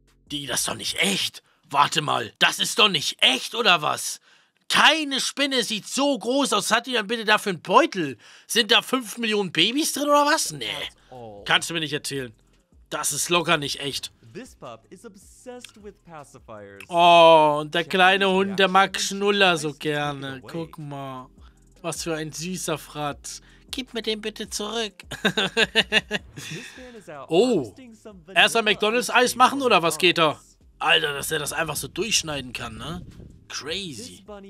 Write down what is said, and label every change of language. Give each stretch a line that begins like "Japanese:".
German: Die, das ist doch nicht echt. Warte mal, das ist doch nicht echt, oder was? Keine Spinne sieht so groß aus. Was hat die dann bitte dafür einen Beutel? Sind da 5 Millionen Babys drin, oder was? Nee, kannst du mir nicht erzählen. Das ist locker nicht echt.
English: This pup is obsessed with pacifiers.
German: Oh, und der kleine Hund, der mag Schnuller so gerne. Guck mal, was für ein süßer Fratz. Gib mir den bitte zurück. Oh, erst ein McDonald's-Eis machen oder was geht da? Alter, dass er das einfach so durchschneiden kann, ne? Crazy.